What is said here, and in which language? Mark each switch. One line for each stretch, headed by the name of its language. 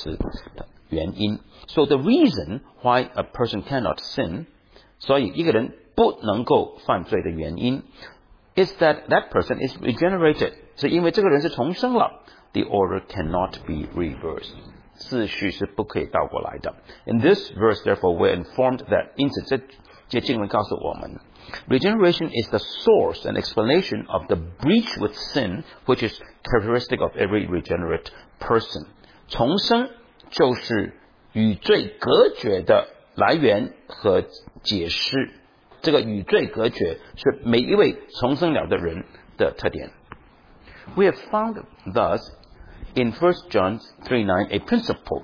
Chinese: 直接明说的告诉我们,重生就是这个人不能犯罪的成因,cause,或者是原因。
English: So the reason why a person cannot sin
Chinese: 所以一个人不能够犯罪的原因
English: is that that person is regenerated.
Chinese: 是因为这个人是重生了。
English: The order cannot be reversed.
Chinese: 次序是不可以倒过来的。
English: In this verse, therefore, we're informed that
Chinese: 因此这节经文告诉我们
English: regeneration is the source and explanation of the breach with sin which is characteristic of every regenerate person.
Chinese: 重生就是与罪隔绝的来源和 解释这个与罪隔绝是每一位重生了的人的特点。
English: We have found thus in 1 John 3:9 a principle.